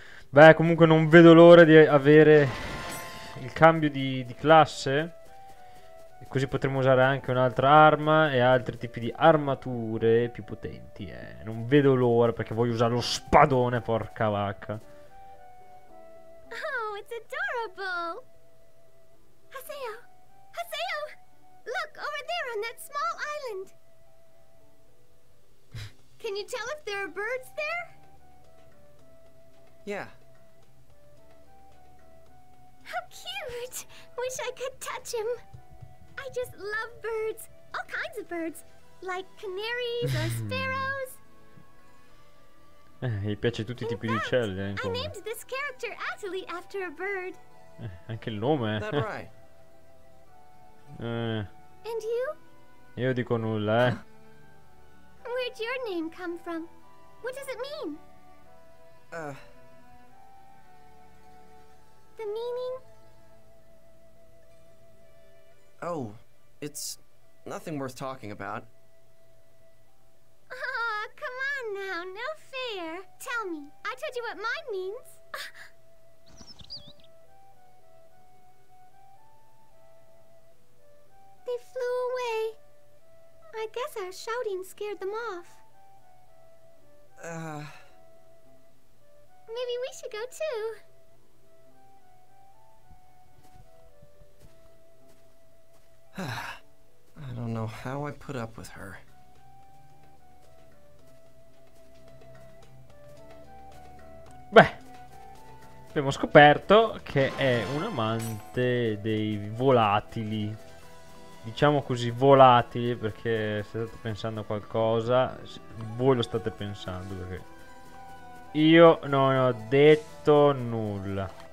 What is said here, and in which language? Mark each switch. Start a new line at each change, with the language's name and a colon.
Italian: Beh, comunque non vedo l'ora di avere il cambio di classe. Così potremo usare anche un'altra arma e altri tipi di armature più potenti. Non vedo l'ora perché voglio usare lo spadone, porca vacca.
English: Oh, it's adorable. Haseo, Haseo, look over there on that small island. Can you tell if there are birds there? Yeah. How cute! Wish I could touch him. I just love birds. All kinds of birds. Like canaries or sparrows.
Italian: Gli piace tutti i tipi di uccelli.
English: I named this character Atoli after a bird.
Italian: Anche il nome, eh.
English: That right? And you?
Italian: Io dico nulla, eh.
English: Where'd your name come from? What does it mean? The meaning? Oh, it's nothing worth talking about. Oh, come on now, no fair. Tell me, I told you what mine means. They flew away. I guess our shouting scared them off. Maybe we should go too. I don't know how I put up with her.
Italian: Beh, abbiamo scoperto che è un amante dei volatili. Diciamo così, volatili, perché se state pensando a qualcosa, voi lo state pensando, perché io non ho detto nulla.